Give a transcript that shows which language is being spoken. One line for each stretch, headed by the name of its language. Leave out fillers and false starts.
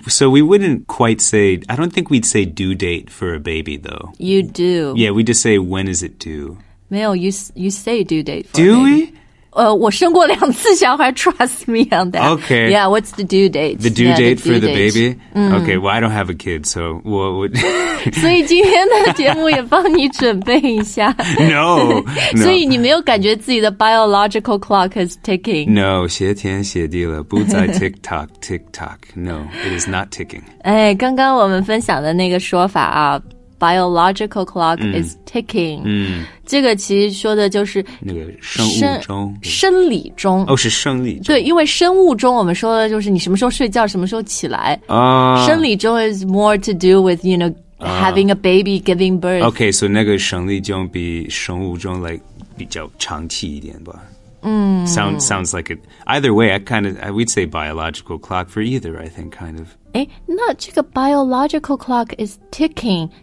English: So we wouldn't quite say, I don't think we'd say due date for a baby though. You do. Yeah, we just say when is it due.
Chinese: 没有
English: you say due date for do a baby. We?
Chinese: 我生过两次小孩
English: trust me on that. Okay. Yeah, what's the due date? The due date for the baby?、 Mm-hmm. Okay, well, I don't have a kid, so what would...
Chinese: 所以今天的节目也帮你准备一下。
English: No, no.
Chinese: 所以你没有感觉自己的
English: biological clock is ticking?
Chinese: No, 写天写地了不在 TikTok, TikTok.
English: No, it is not ticking.
Chinese: 哎，刚刚我们分享的那个说法啊
English: Biological clock is ticking.
Chinese: 嗯，这个其实说的就是那个生物钟，生理钟。哦，是生理钟。对，因为生物钟我们说的就是你什么时候睡觉，什么时候起来。啊，
English: 生理钟 is more to do with you know having a baby, giving birth.
Chinese: Okay, so 那个生理钟比生物钟 like 比较长期一点吧。嗯
English: sounds like it. Either way, I would say biological clock for either, I think, kind of.
Chinese: 诶，那这个
English: biological clock is ticking.